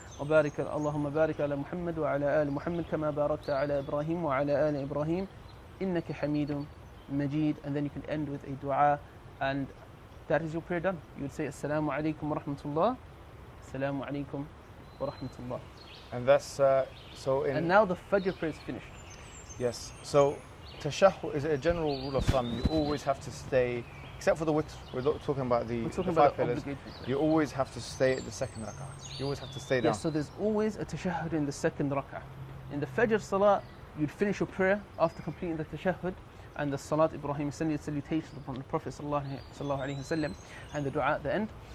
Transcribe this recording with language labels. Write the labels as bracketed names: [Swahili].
[Arabic] وبارك اللهم بارك على محمد وعلى آل محمد كما باركت على إبراهيم وعلى آل إبراهيم إنك حميد مجيد. [English] And then you can end with a dua, and that is your prayer done. You would say [Arabic] السلام عليكم ورحمة الله. [English] السلام عليكم ورحمة الله. And that's so in. And now the Fajr prayer is finished. Yes. So tashahhud is a general rule of thumb. You always have to stay, except for the witr. We're talking about the five pillars. You always have to stay at the second rak'ah. You always have to stay down. Yes, so there's always a tashahhud in the second rak'ah. In the Fajr Salah, you'd finish your prayer after completing the tashahhud, and the Salat Ibrahim, salutation upon the Prophet Sallallahu Alaihi Wasallam, and the dua at the end.